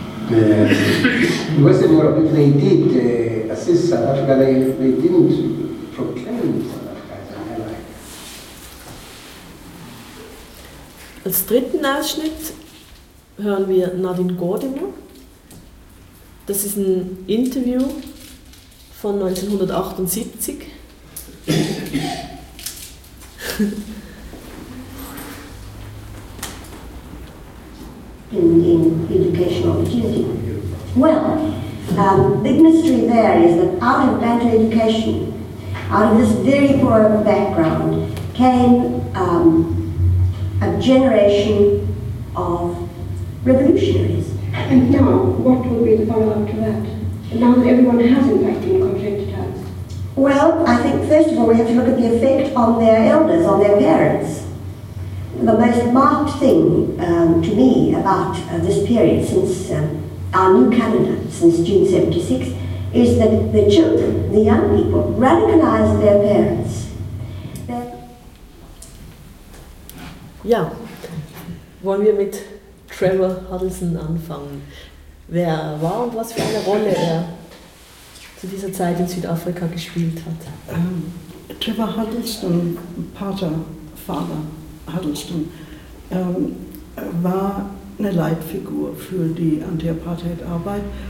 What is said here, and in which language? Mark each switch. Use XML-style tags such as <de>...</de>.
<en>In Western Europe, if they did assist South Africa, they didn't proclaim South Africa as an ally.</en> <de>Als dritten Ausschnitt hören wir Nadine Gordimer. Das ist ein Interview von 1978.</de> <en>In educational opportunity. Well, big mystery there is that out of better education, out of this very poor background, came a generation of revolutionaries. And now, what will be the follow-up to that? Now that everyone has, in fact, been conscientized. Well, I think, first of all, we have to look at the effect on their elders, on their parents. The most marked thing to me about this period since our new calendar, since June 76, is that the children, the young people, radicalized their parents.</en> <de>Ja, wollen wir mit Trevor Huddleston anfangen? Wer er war und was für eine Rolle er zu dieser Zeit in Südafrika gespielt hat? Trevor Huddleston, Pater, Vater Huddleston, war eine Leitfigur für die Anti-Apartheid-Arbeit.</de>